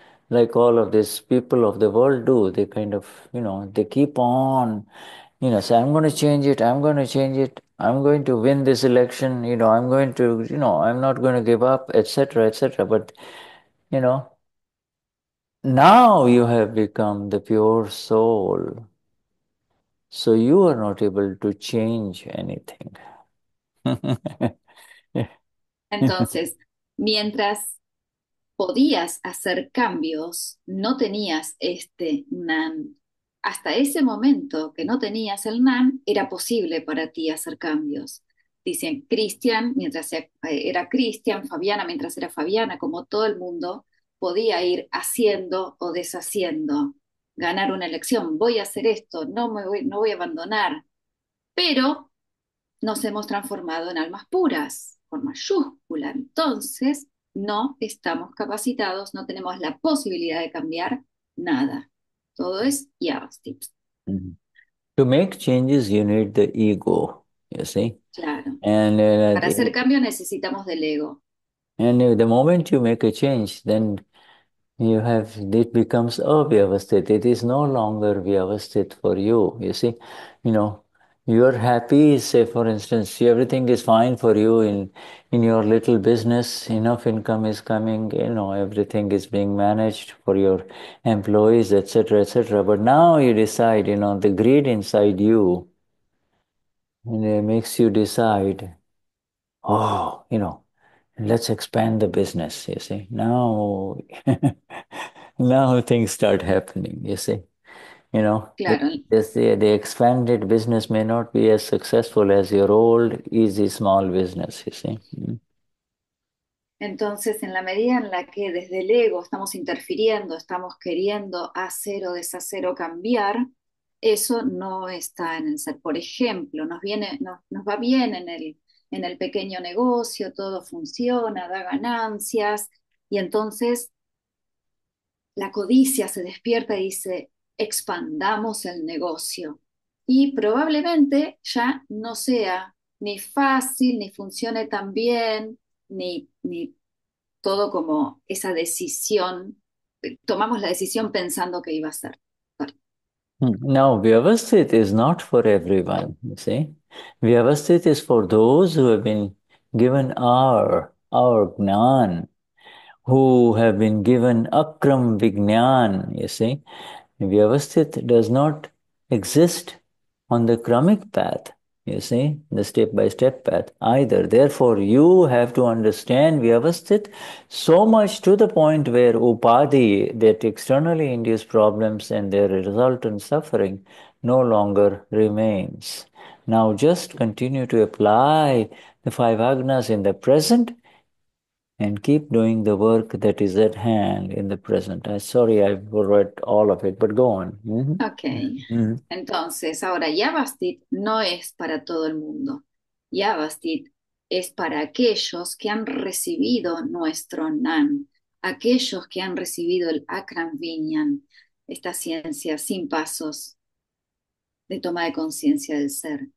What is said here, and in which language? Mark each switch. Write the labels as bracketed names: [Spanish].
[English] like all of these people of the world do. They kind of, they keep on, say, I'm going to change it, I'm going to change it, I'm going to win this election, I'm going to, I'm not going to give up, etc., etc. But, now you have become the pure soul. So you are not able to change anything. [Spanish] Entonces, mientras podías hacer cambios, no tenías este NAN. Hasta ese momento que no tenías el NAN, era posible para ti hacer cambios. Dicen Cristian, mientras era Cristian, Fabiana, mientras era Fabiana, como todo el mundo, podía ir haciendo o deshaciendo, ganar una elección. Voy a hacer esto, no voy a abandonar. Pero nos hemos transformado en almas puras, mayúscula. Entonces, no estamos capacitados, no tenemos la posibilidad de cambiar nada. Todo es yavastips. [English] To make changes, you need the ego, you see. [Spanish] Claro. [English] And [Spanish] Para hacer cambio necesitamos del ego. [English] the moment you make a change, then you have it becomes avyavasthita. It is no longer vyavasthita for you, you see. You're happy, say, for instance, everything is fine for you in your little business, enough income is coming, everything is being managed for your employees, etc., etc. But now you decide, the greed inside you, and it makes you decide, oh, let's expand the business, you see. Now, now things start happening, you see. [Spanish] Claro. [English] The expanded business may not be as successful as your old, easy, small business, you see. [Spanish] Entonces, en la medida en la que desde el ego estamos interfiriendo, estamos queriendo hacer o deshacer o cambiar, eso no está en el ser. Por ejemplo, nos va bien en el pequeño negocio, todo funciona, da ganancias, y entonces la codicia se despierta y dice: expandamos el negocio. Y probablemente ya no sea ni fácil, ni funcione tan bien, ni todo como esa decisión. Tomamos la decisión pensando que iba a ser. [English] Now, vyavasthita is not for everyone, you see. Vyavasthita is for those who have been given our gnan, who have been given akram vignan, you see. Vyavasthita does not exist on the kramic path, you see, the step-by-step path either. Therefore, you have to understand vyavasthita so much to the point where upadhi, that externally induced problems and their resultant suffering, no longer remains. Now just continue to apply the five agnas in the present and keep doing the work that is at hand in the present. I'm sorry I read all of it, but go on. [Spanish] Okay, entonces ahora Yavastit no es para todo el mundo. Yavastit es para aquellos que han recibido nuestro NAN, aquellos que han recibido el Akram Vignan, esta ciencia sin pasos de toma de conciencia del ser.